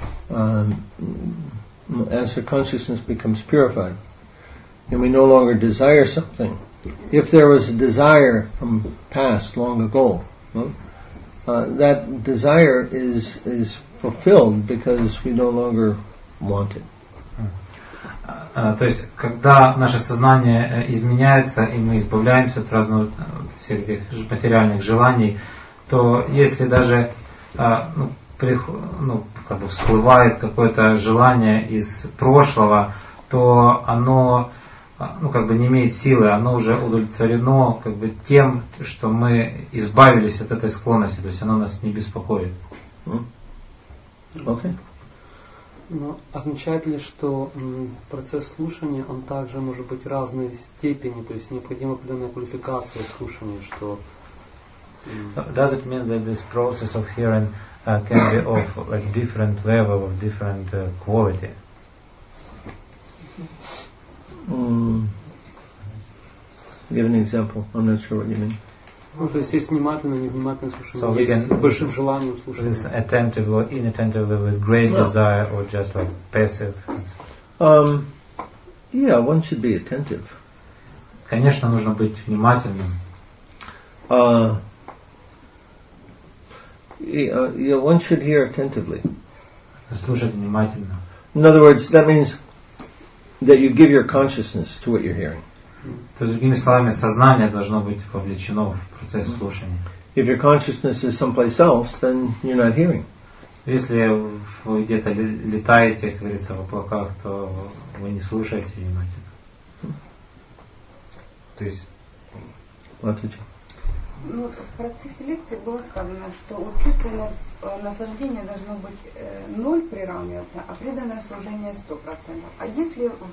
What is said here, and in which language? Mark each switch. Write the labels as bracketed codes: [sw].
[en] As our consciousness becomes purified, and we no longer desire something, if there was a desire from past, long ago, that desire is fulfilled because we no longer want it. [ru] То есть, когда наше сознание изменяется и мы избавляемся от разных всех этих материальных желаний, то если даже всплывает какое-то желание из прошлого, то оно не имеет силы, оно уже удовлетворено тем, что мы избавились от этой склонности, то есть оно нас не беспокоит. [en] Okay. [ru] Но означает ли, что процесс слушания, он также может быть разной степени, то есть необходима определенная квалификация слушания, что... [en] So does it mean that this process of hearing can be of like different level, of different quality? Give an example. I'm not sure what you mean. [ru] Ну, то есть есть внимательное, невнимательное слушание, есть с большим желанием слушание. [en] Is attentive or inattentive with great desire or just like passive? Yeah, one should be attentive. [ru] Конечно, нужно быть внимательным. [en] One should hear attentively. [ru] Слушать внимательно. [en] In other words, that means that you give your consciousness to what you're hearing. [ru] То есть, другими словами, сознание должно быть вовлечено в процесс слушания. [en] If your consciousness is someplace else, then you're not hearing. [ru] Если вы где-то летаете, как говорится, в облаках, то вы не слушаете внимательно. То есть, ответьте. Ну, в процессе лекции было сказано, что вот чувство наслаждения должно быть ноль приравниваться, а преданное служение 100%. А если...